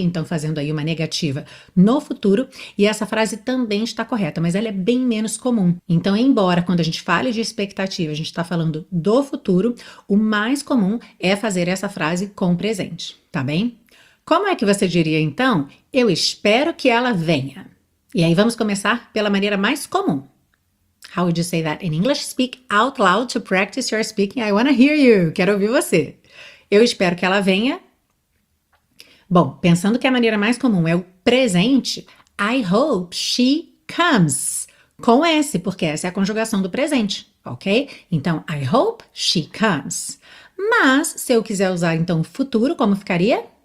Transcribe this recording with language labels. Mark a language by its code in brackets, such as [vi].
[pt] Então fazendo aí uma negativa no futuro. E essa frase também está correta, mas ela é bem menos comum. Então, embora quando a gente fale de expectativa, a gente está falando do futuro, o mais comum é fazer essa frase com presente, tá bem? Como é que você diria então? Eu espero que ela venha. E aí vamos começar pela maneira mais comum. [en] How would you say that in English? Speak out loud to practice your speaking. I want to hear you. [pt] Quero ouvir você. Eu espero que ela venha. Bom, pensando que a maneira mais comum é o presente, [en] I hope she comes. [pt] Com S, porque essa é a conjugação do presente, ok? Então, [en] I hope she comes. [pt] Mas, se eu quiser usar então o futuro, como ficaria?